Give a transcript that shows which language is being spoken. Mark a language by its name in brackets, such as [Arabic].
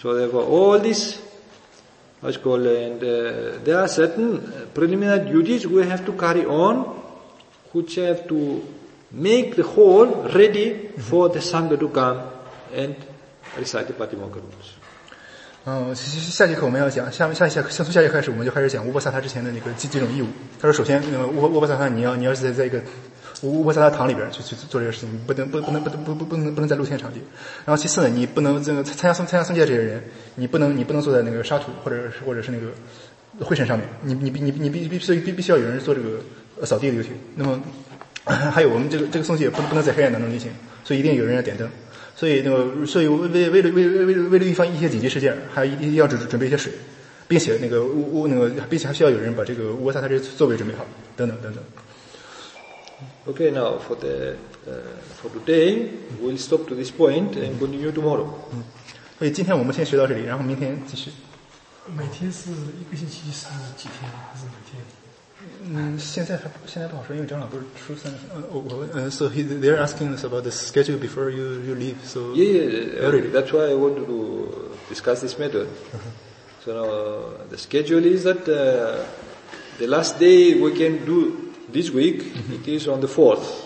[English] So therefore, all this, what's called, and there are certain preliminary duties we have to carry on, which have to... make the hall ready for the Sangha to come and recite the Patimokkha rules. [Chinese] 下节课我们要讲，从下节开始我们就开始讲乌波萨塔之前的那个几种义务。他说首先乌波萨塔你要是在一个乌波萨塔堂里边去做这个事情，不能在露天场地。然后其次呢，你不能参加僧戒这些人，你不能坐在那个沙土或者是那个灰尘上面，你必须要有人做这个扫地的游戏。那么还有我们这个诵戒不能在黑暗当中进行，所以一定有人要点灯，所以为了预防一些紧急事件，还一定要准备一些水，并且还需要有人把这个乌波萨塔这些座位准备好，等等。 [English] Okay, now for the for today, we'll stop to this point and continue tomorrow. [Chinese] 所以今天我们先学到这里，然后明天继续。每天是一个星期是几天，还是每天？现在不好说，因为张老不是初三。 [English] So they're asking us about the schedule before you leave. So yeah, that's why I want to discuss this matter. So now the schedule is that the last day we can do this week、 mm-hmm. it is on the 4th、